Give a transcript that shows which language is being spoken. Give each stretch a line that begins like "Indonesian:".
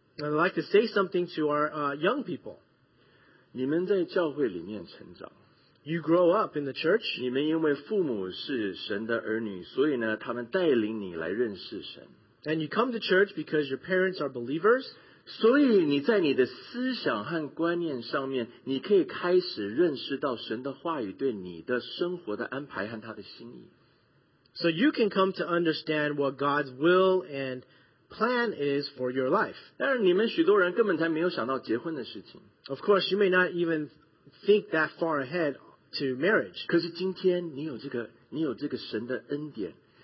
English: I'd like to say something to our young people.
Chinese: 你们在教会里面成长。
English: You grow up in the church.
Chinese: 你们因为父母是神的儿女，所以呢，他们带领你来认识神。
English: And you come to church because your parents are believers.
Chinese: 所以你在你的思想和观念上面，你可以开始认识到神的话语对你的生活的安排和他的心意。
English: So you can come to understand what God's will and plan is for your life.
Chinese: 但是你们许多人根本才没有想到结婚的事情。
English: Of course, you may not even think that far ahead to marriage.
Chinese: 可是今天你有这个神的恩典。